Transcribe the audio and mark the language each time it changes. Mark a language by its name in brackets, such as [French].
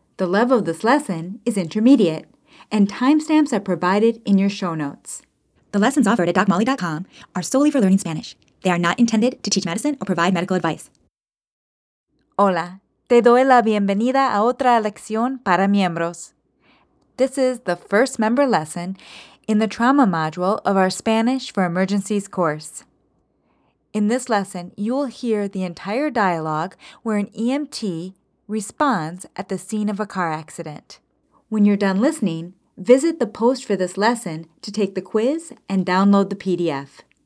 [English] The level of this lesson is intermediate, and timestamps are provided in your show notes. The lessons offered at DocMolly.com are solely for learning Spanish. They are not intended to teach medicine or provide medical advice. [Spanish] Hola, te doy la bienvenida a otra lección para miembros. [English] This is the first member lesson in the trauma module of our Spanish for Emergencies course. In this lesson, you will hear the entire dialogue where an EMT responds at the scene of a car accident. When you're done listening, visit the post for this lesson to take the quiz and download the PDF.